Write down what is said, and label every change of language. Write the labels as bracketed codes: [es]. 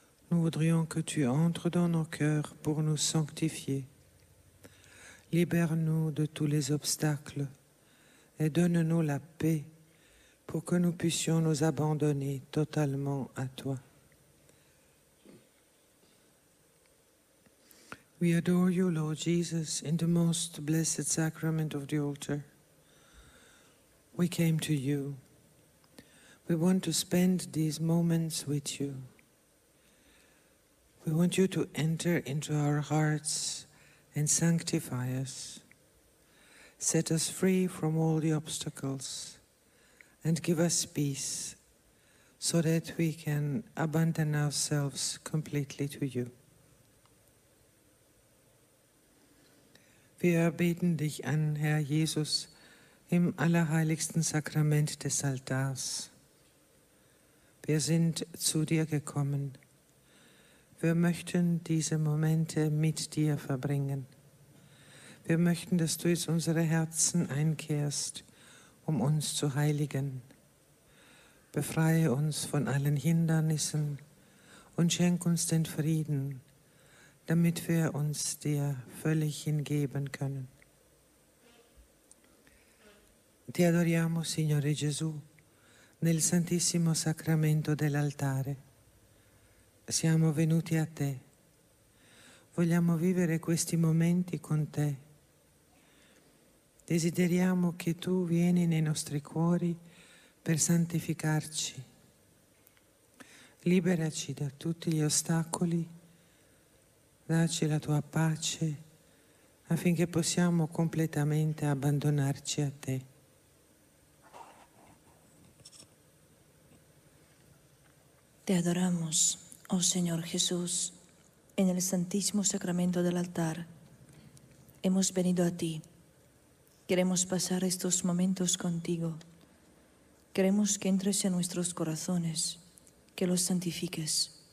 [fr] Nous voudrions que tu entres dans nos cœurs pour nous sanctifier. Libère-nous de tous les obstacles et donne-nous la paix pour que nous puissions nous abandonner totalement à toi. [en] We adore you, Lord Jesus, in the most blessed sacrament of the altar. We came to you. We want to spend these moments with you. We want you to enter into our hearts and sanctify us. Set us free from all the obstacles and give us peace so that we can abandon ourselves completely to you. [de] Wir beten dich an, Herr Jesus, im allerheiligsten Sakrament des Altars. Wir sind zu dir gekommen. Wir möchten diese Momente mit dir verbringen. Wir möchten, dass du in unsere Herzen einkehrst, um uns zu heiligen. Befreie uns von allen Hindernissen und schenk uns den Frieden, damit wir uns dir völlig hingeben können. [it] Ti adoriamo, Signore Gesù, nel Santissimo Sacramento dell'Altare. Siamo venuti a te. Vogliamo vivere questi momenti con te. Desideriamo che tu vieni nei nostri cuori per santificarci. Liberaci da tutti gli ostacoli. Dacci la tua pace affinché possiamo completamente abbandonarci a te. [es] Te adoramos, oh Señor Jesús, en el Santísimo Sacramento del altar. Hemos venido a ti. Queremos pasar estos momentos contigo. Queremos que entres en nuestros corazones, que los santifiques.